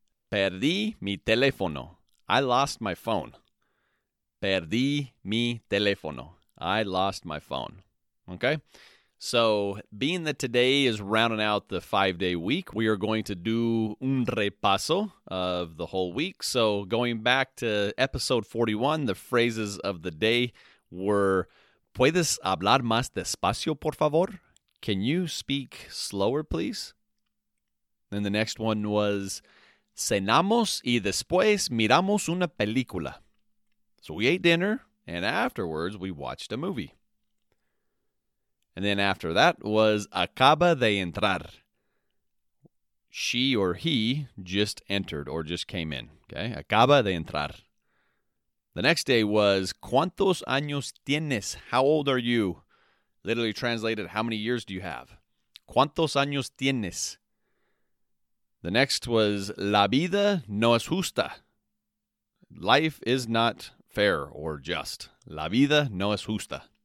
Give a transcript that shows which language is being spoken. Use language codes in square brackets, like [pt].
[es] Perdí mi teléfono. [en] I lost my phone. [es] Perdí mi teléfono. [en] I lost my phone. Okay? So, being that today is rounding out the five-day week, we are going to do un repaso of the whole week. So, going back to episode 41, the phrases of the day were, [es] ¿Puedes hablar más despacio, por favor? [en] Can you speak slower, please? Then the next one was, [es] cenamos y después miramos una película. [en] So we ate dinner, and afterwards we watched a movie. And then after that was, [es] acaba de entrar. [en] She or he just entered or just came in. [es] Okay, acaba de entrar. [en] The next day was, [es] ¿cuántos años tienes? [en] How old are you? Literally translated, how many years do you have? [es] ¿Cuántos años tienes? [en] The next was, [es] la vida no es justa. [en] Life is not fair or just. [es] La vida no es justa.